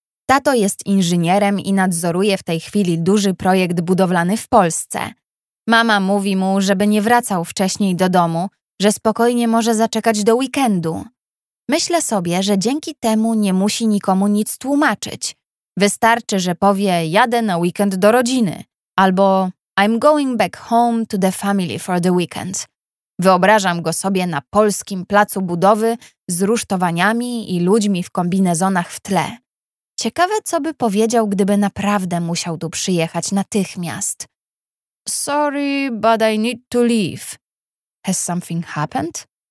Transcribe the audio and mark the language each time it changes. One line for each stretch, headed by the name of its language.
Polish: Tato jest inżynierem i nadzoruje w tej chwili duży projekt budowlany w Polsce. Mama mówi mu, żeby nie wracał wcześniej do domu, że spokojnie może zaczekać do weekendu. Myślę sobie, że dzięki temu nie musi nikomu nic tłumaczyć. Wystarczy, że powie, jadę na weekend do rodziny.
English: Albo I'm going back home to the family for the weekend.
Polish: Wyobrażam go sobie na polskim placu budowy z rusztowaniami i ludźmi w kombinezonach w tle. Ciekawe, co by powiedział, gdyby naprawdę musiał tu przyjechać natychmiast.
English: Sorry, but I need to leave. Has something happened?